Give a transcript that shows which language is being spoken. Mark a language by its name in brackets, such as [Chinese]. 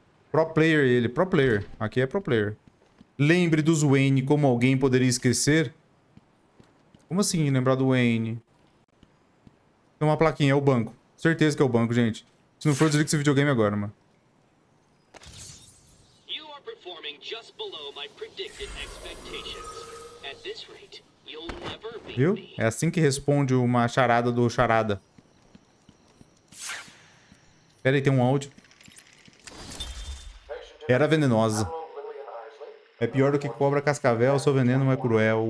[Portuguese] Pro player ele, pro player. Aqui é pro player. Lembre dos Wayne como alguém poderia esquecer? Como assim lembrar do Wayne? Tem uma plaquinha, é o banco. Certeza que é o banco, gente. Se não for, desliga esse videogame agora, mano. [English] You are performing just below my predicted expectations. At this rate, you'll never beat me. [Portuguese] Viu? É assim que responde uma charada do charada. Pera aí, tem um áudio. Era venenosa. É pior do que cobra cascavel, seu veneno é cruel.